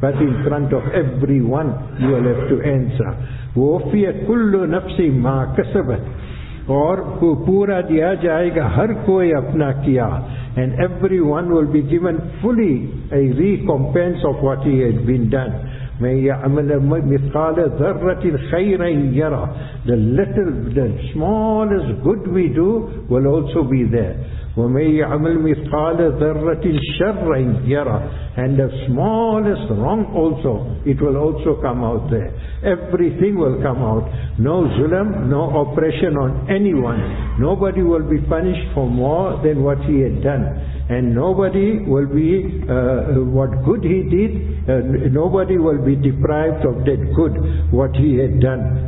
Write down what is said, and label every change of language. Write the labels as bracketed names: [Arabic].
[English] But in front of everyone, you will have to answer. [Arabic] وَوَفِيَتْ كُلُّ نَفْسِ مَا كَسَبَتْ. [Urdu] Or who pura diya jayega har koi apna kiya, [English] and everyone will be given fully a recompense of what he has been done. [Arabic] من يعمل مثقال ذرة خيرا يرى. [English] The smallest good we do will also be there. [Arabic] ومن يعمل مثقال ذرة شرا يرى. [English] And the smallest wrong also, it will also come out there. Everything will come out. No zulm, no oppression on anyone. Nobody will be punished for more than what he had done. And nobody will be, what good he did, nobody will be deprived of that good, what he had done.